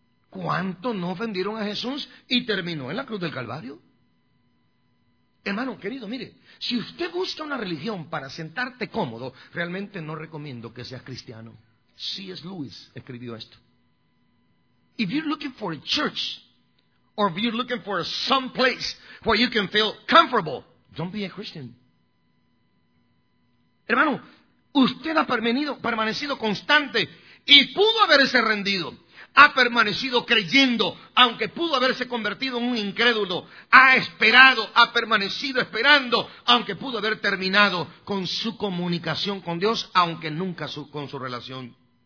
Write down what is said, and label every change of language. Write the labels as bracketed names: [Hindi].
[Spanish] ¿Cuántos no ofendieron a Jesús y terminó en la cruz del Calvario? Hermano querido, mire, si usted busca una religión para sentarte cómodo, realmente no recomiendo que seas cristiano. C.S. Lewis escribió esto. [English] If you're looking for a church, or if you're looking for some place where you can feel comfortable, don't be a Christian. [Spanish] Hermano, usted ha permanecido constante y pudo haberse rendido. Ha permanecido creyendo, aunque pudo haberse convertido en un incrédulo. Ha esperado, ha permanecido esperando, aunque pudo haber terminado con su comunicación con Dios, aunque nunca con su relación.